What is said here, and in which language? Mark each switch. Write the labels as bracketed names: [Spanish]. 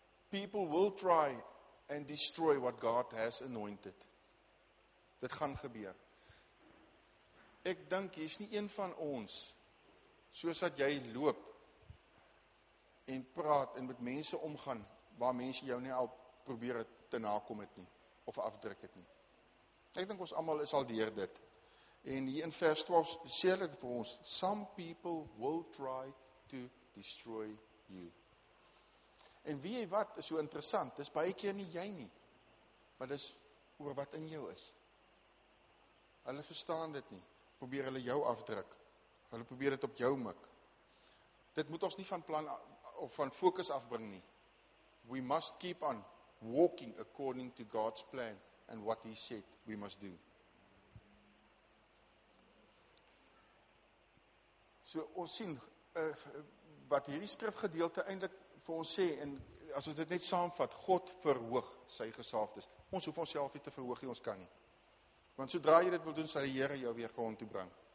[English] People will try and destroy what God has anointed. [Afrikaans] Dit gaan gebeur. Ek dink hier is nie een van ons, soos dat jy loop en praat en met mense omgaan, waar mense jou nie al probeer het te nakom het nie, of afdruk het nie. Ek dink ons allemaal is al deur dit. En hier in vers 12 sê dit vir ons, [English] some people will try to destroy you. [Afrikaans] En wie jy wat is so interessant, dis baie keer nie jy nie, maar dis oor wat in jou is. Hulle verstaan dit nie, probeer hulle jou afdruk, hulle probeer dit op jou mik. Dit moet ons nie van plan of van fokus afbring nie. [English] We must keep on walking according to God's plan and what he said we must do. [Afrikaans] So ons sien wat hierdie skrifgedeelte eintlik vir ons sê, en as ons dit net saamvat, God verhoog sy gesaafdes. Ons hoef ons self nie te verhoog, ons kan nie. Want sodra jy dit wil doen, sal die Here jou weer grond toe bring.